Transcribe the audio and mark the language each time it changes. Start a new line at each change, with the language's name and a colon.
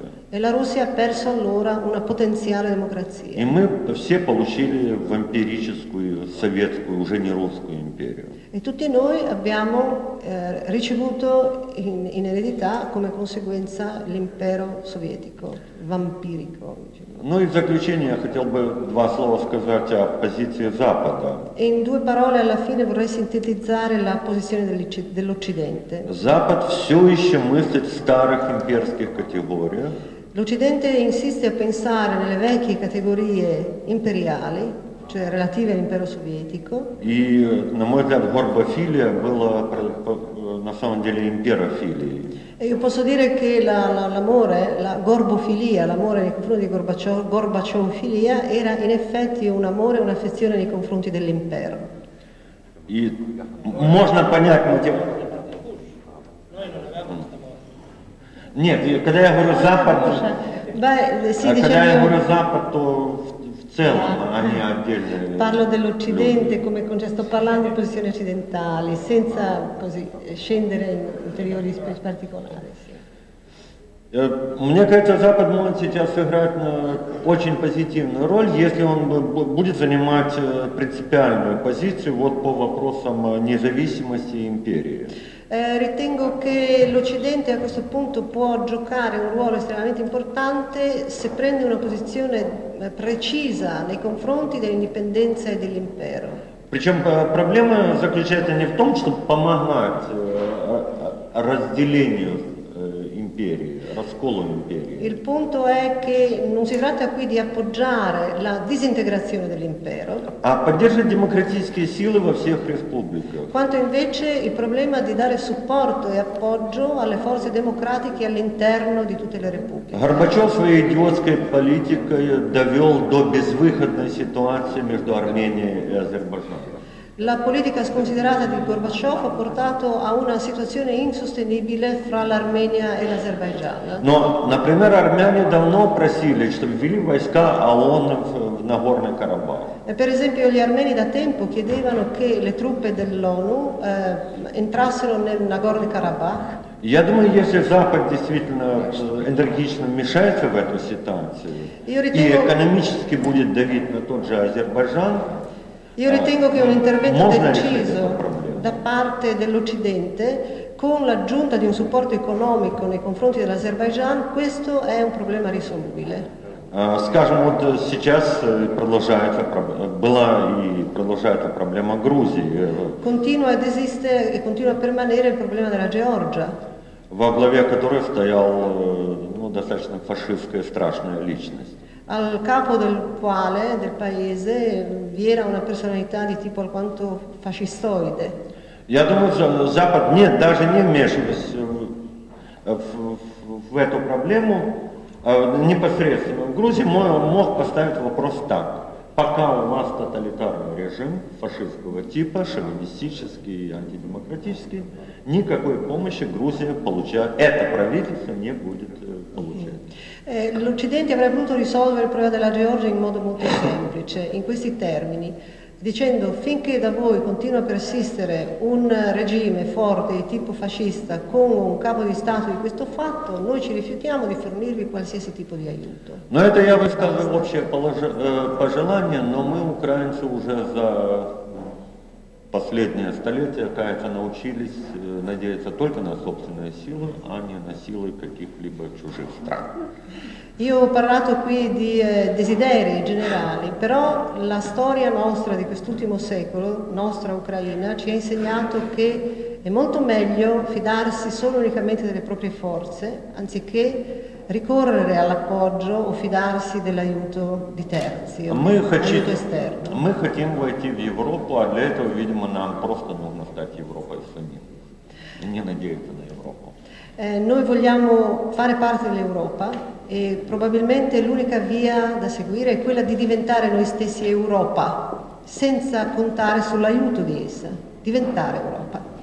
Italian: E la Russia ha perso allora una potenziale democrazia.
Russian: И мы все получили вампирическую советскую, уже не русскую империю.
Italian: E tutti noi abbiamo ricevuto in eredità come conseguenza l'impero sovietico, вампирико.
Russian: Ну и в заключение я хотел бы два слова сказать о позиции Запада.
Italian: E in due parole alla fine vorrei sintetizzare la posizione dell'Occidente.
Russian: Запад все еще мыслит в старых имперских категориях.
Italian: L'Occidente insiste a pensare nelle vecchie categorie imperiali, cioè relative all'impero sovietico.
Russian: И на мой взгляд, горбофилия была на самом деле имперофилией.
Italian: E io posso dire che l'amore, la gorbofilia, l'amore nei confronti di Gorbaciovfilia era in effetti un amore, un'affezione nei confronti dell'impero.
Russian: И можно понять, Нет, когда я говорю Запад, то в целом, а не отдельно.
Italian: Parlo dell'Occidente come concetto, sto parlando di posizioni occidentali, senza così scendere in ulteriori particolari.
Russian: Мне кажется, Запад может сейчас сыграть очень позитивную роль, если он будет занимать принципиальную позицию вот по вопросам независимости империи.
Italian: Ritengo che l'Occidente a questo punto può giocare un ruolo estremamente importante se prende una posizione precisa nei confronti dell'indipendenza e dell'impero.
Russian: Причем проблема заключается не в том, чтобы помогать разделению империи, расколу империи.
Italian: Il punto è che non si tratta qui di appoggiare la disintegrazione dell'impero,
Russian: а поддерживать демократические силы во всех республиках.
Italian: Quanto invece il problema di dare supporto e appoggio alle forze democratiche all'interno di tutte le repubbliche.
Russian: Горбачев своей идиотской политикой довел до безвыходной ситуации между Арменией и Азербайджаном.
Italian: La politica sconsiderata di Gorbaciov ha portato a una situazione insostenibile fra l'Armenia e l'Azerbaigian.
Russian: No, например, армяне давно просили, чтобы ввели войска ООН в Нагорный Карабах.
Italian: Per esempio, gli armeni da tempo chiedevano che le truppe dell'ONU entrassero nel Nagorno Karabakh.
Russian: Я думаю, если Запад действительно энергично вмешается в эту ситуацию и экономически будет давить на тот же Азербайджан,
Italian: Io ritengo che un intervento deciso da parte dell'Occidente, con l'aggiunta di un supporto economico nei confronti dell'Azerbaigian, questo è un problema risolubile.
Russian: Скажем, вот сейчас продолжается, была и продолжается проблема Грузии.
Italian: Continua ad esistere e continua a permanere il problema della Georgia.
Russian: Во главе которой стоял достаточно фашистская страшная личность.
Italian: Al capo del quale, del paese, vi era una personalità di tipo alquanto fascistoide.
Russian: Я думаю, Запад даже не вмешивался в эту проблему непосредственно. В Грузии мог поставить вопрос так. Пока у вас тоталитарный режим фашистского типа, шовинистический, антидемократический, никакой помощи Грузия получает, это правительство не будет получать.
Italian: L'Occidente avrebbe voluto risolvere il problema della Georgia in modo molto semplice, in questi termini, dicendo finché da voi continua a persistere un regime forte di tipo fascista con un capo di Stato di questo fatto, noi ci rifiutiamo di fornirvi qualsiasi tipo di aiuto.
Russian: Ну это я высказываю общее пожелание, но мы украинцы уже за последнее столетие, кажется, научились надеяться только на собственные силы, а не на силы каких-либо чужих стран.
Italian: Io ho parlato qui di desideri generali, però la storia nostra di quest'ultimo secolo, nostra Ucraina, ci ha insegnato che è molto meglio fidarsi solo unicamente delle proprie forze, anziché ricorrere all'appoggio o fidarsi dell'aiuto di terzi, aiuto esterno.
Russian: Мы хотим войти в Европу, а для этого, видимо, нам просто нужно стать Европой самим. Не надеяться на Европу.
Italian: Noi vogliamo fare parte dell'Europa. E probabilmente l'unica via da seguire è quella di diventare noi stessi Europa, senza contare sull'aiuto di essa. Diventare Europa.